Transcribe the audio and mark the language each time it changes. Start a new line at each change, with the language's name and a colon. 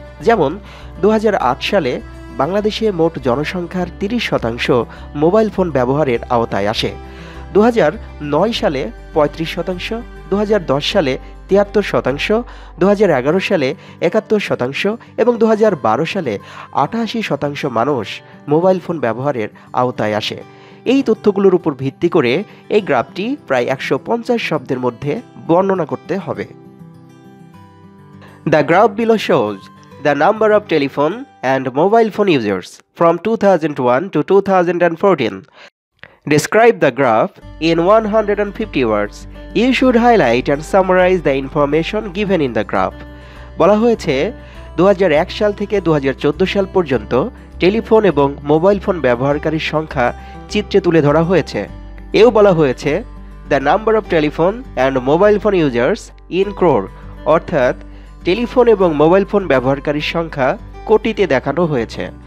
Bangla: যেমন 2008 সালে বাংলাদেশে মোট জনসংখ্যার 30% মোবাইল ফোন ব্যবহারের আওতায় আসে, 2009 সালে 35%, 2010 সালে 73%, 2011 সালে 71% এবং 2012 সালে 88% মানুষ মোবাইল ফোন ব্যবহারের আওতায় আসে। এই তথ্যগুলোর উপর ভিত্তি করে এই গ্রাফটি প্রায় 150 শব্দের মধ্যে বর্ণনা করতে হবে।
English: The graph below shows the number of telephone and mobile phone users from 2001 to 2014. Describe the graph in 150 words. You should highlight and summarize the information given in the graph.
Bangla: বলা হয়েছে 2001 সাল থেকে 2014 সাল পর্যন্ত টেলিফোন এবং mobile phone ব্যবহারকারীর সংখ্যা চিত্রে তুলে ধরা হয়েছে। এও বলা হয়েছে
English: the number of telephone and mobile phone users in crore
Bangla: অর্থাৎ টেলিফোন এবং মোবাইল ফোন ব্যবহারকারীর সংখ্যা কোটিতে দেখানো হয়েছে।